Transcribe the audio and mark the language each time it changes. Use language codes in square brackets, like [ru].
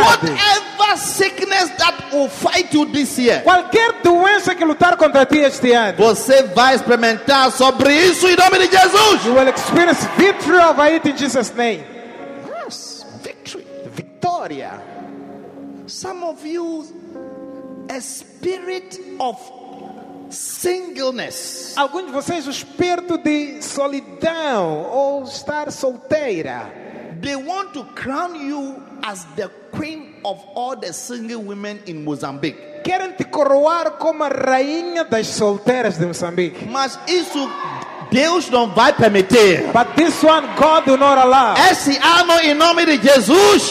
[en] whatever sickness that will fight you this year, [pt] qualquer doença que lutar contra ti este ano, você vai experimentar sobre isso em nome de Jesus. [en] You will experience victory over it in Jesus' name. Yes, victory, [pt] vitória. [en] Some of you, a spirit of singleness. [pt] Alguns de vocês, o espírito de solidão ou estar solteira. [en] They want to crown you as the queen of all the single women in Mozambique. [pt] Querem te coroar como a rainha das solteiras de Moçambique. Mas isso Deus não vai permitir. [en] But this one God will not allow. [pt] Esse ano em nome de Jesus.